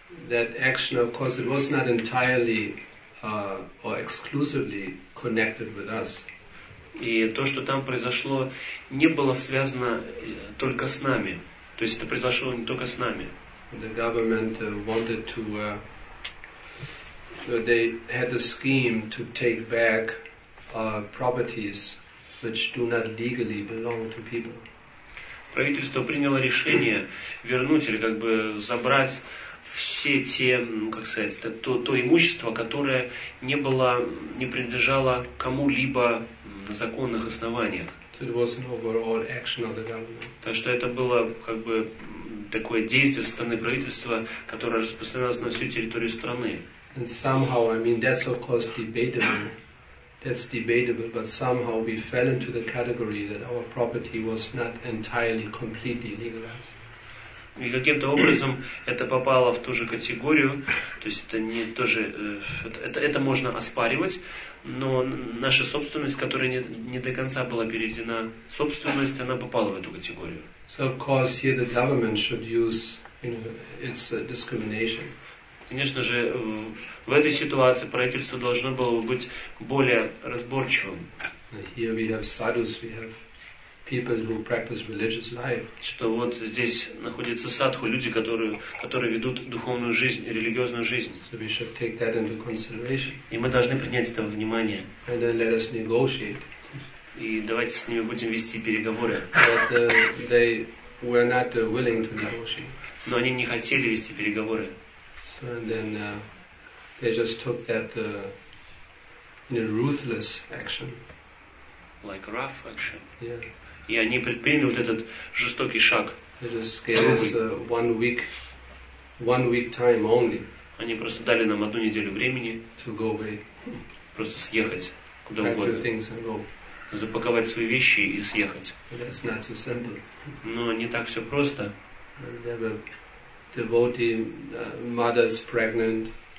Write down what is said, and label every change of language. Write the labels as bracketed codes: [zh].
[en] That action, of course, it was not entirely or exclusively connected with us. [ru] И то, что там произошло, не было связано только с нами. То есть это произошло не только с нами. [en] The government wanted to. They had a scheme to take back properties which do not legally belong to people. [ru] Правительство приняло решение вернуть или как бы забрать все те, ну, как сказать, то имущество, которое не принадлежало кому-либо на законных основаниях. [en] So it was an overall action of the government. [ru] Так что это было как бы такое действие со стороны правительства, которое распространялось на всю территорию страны. [en] And somehow, I mean, that's of course debatable. That's debatable, but somehow we fell into the category that our property was not entirely, completely legalized. [ru] И каким-то образом это попало в ту же категорию, то есть это не тоже, это можно оспаривать, но наша собственность, которая не до конца была переведена, собственность, она попала в эту категорию. [en] So of course here the government should use, you know, its discrimination. [ru] Конечно же, в этой ситуации правительство должно было бы быть более разборчивым. [en] Here we have sadhus, we have people who practice religious life. [ru] Что вот здесь находится садху, люди, которые ведут духовную жизнь, религиозную жизнь. [en] So we should take that into consideration. [ru] И мы должны принять это во внимание. [en] And then let us negotiate. [ru] И давайте с ними будем вести переговоры. [en] But they were not willing to negotiate. [ru] Но они не хотели вести переговоры. [en] And then they just took that ruthless action. Like rough action. Yeah. [ru] И они предприняли вот этот жестокий шаг. [en] They just gave us one week time only. [ru] Они просто дали нам одну неделю времени. [en] To go away. [ru] Просто съехать куда угодно. [en] Pack your things and go. [ru] Запаковать свои вещи и съехать. [en] But that's not so simple. [ru] Но не так все просто. [en] Devotee mothers pregnant.